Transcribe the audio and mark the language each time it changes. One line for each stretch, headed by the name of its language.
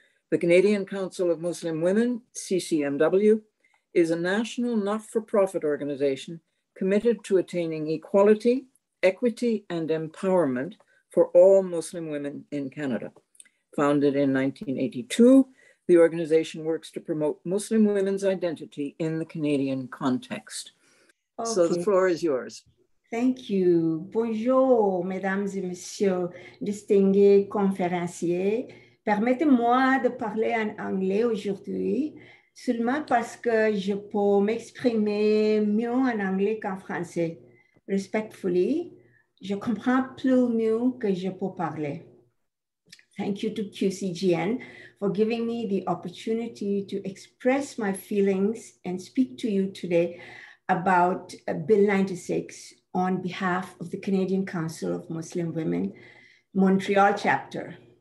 English: The Canadian Council of Muslim Women, CCMW, is a national not-for-profit organization committed to attaining equality, equity, and empowerment for all Muslim women in Canada. Founded in 1982, the organization works to promote Muslim women's identity in the Canadian context. Okay. So the floor is yours. Thank you.
French: Bonjour, mesdames et messieurs, distingués conférenciers. Permettez-moi de parler en anglais aujourd'hui. Seulement parce que je peux m'exprimer mieux en anglais qu'en français.
English: Respectfully,
French: je comprends plus mieux que je peux parler.
English: Thank you to QCGN for giving me the opportunity to express my feelings and speak to you today about Bill 96 on behalf of the Canadian Council of Muslim Women, Montreal chapter.